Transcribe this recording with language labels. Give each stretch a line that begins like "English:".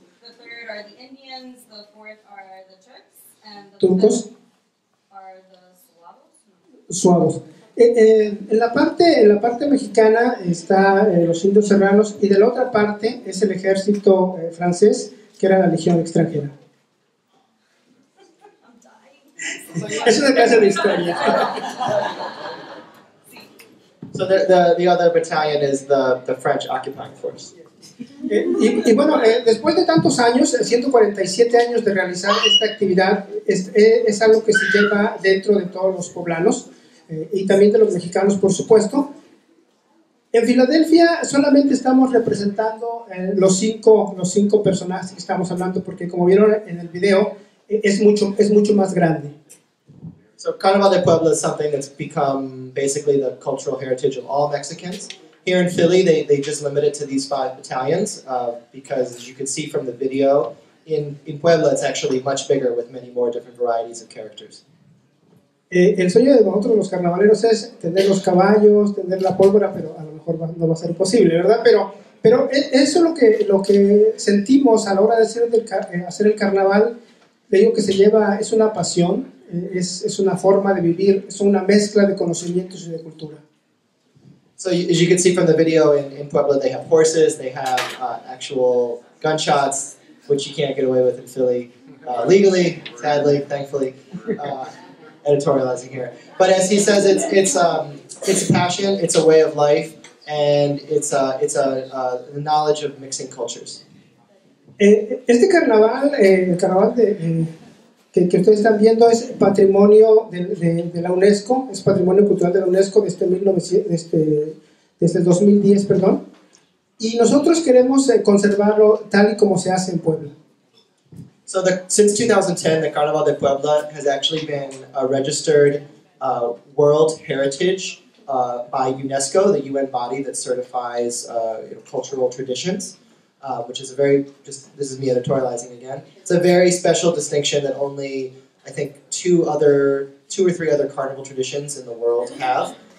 English: The third are the Indians, the fourth are the Turks, and the Turcos. Are the Suavos.
Spanish: En la parte mexicana está los indios serranos, y de la otra parte es el ejército francés, que era la legión extranjera.
English: <I'm dying.
Spanish: laughs> Eso es una clase de historia.
English: So the other battalion is the French occupying force.
Spanish: Y bueno, después de tantos años, 147 años de realizar esta actividad, es algo que se lleva dentro de todos los poblanos, y también de los mexicanos, por supuesto. En Filadelfia solamente estamos representando los cinco personajes que estamos hablando, porque como vieron en el video, es mucho más grande.
English: So Carnaval de Puebla is something that's become basically the cultural heritage of all Mexicans. Here in Philly, they just limit it to these 5 battalions, because as you can see from the video, in Puebla it's actually much bigger with many more different varieties of characters.
Spanish: El sueño de nosotros los carnavaleros es tener los caballos, tener la pólvora, pero a lo mejor no va a ser posible, ¿verdad? Pero eso es lo que sentimos a la hora de hacer el carnaval. Le digo que se lleva, es una pasión, es una forma de vivir, es una mezcla de conocimientos y de cultura.
English: So as you can see from the video, in Puebla they have horses, they have actual gunshots, which you can't get away with in Philly, legally, sadly, thankfully, editorializing here. But as he says, it's a passion, it's a way of life, and it's a knowledge of mixing cultures.
Spanish: Este carnaval, el carnaval que ustedes están viendo, es patrimonio de la UNESCO, es patrimonio cultural de la UNESCO desde 2010, perdón. Y nosotros queremos conservarlo tal y como se hace en Puebla.
English: So since 2010, the Carnaval de Puebla has actually been a registered World Heritage by UNESCO, the UN body that certifies cultural traditions, which is a very, just this is me editorializing again, it's a very special distinction that only, I think, two or three other carnival traditions in the world have.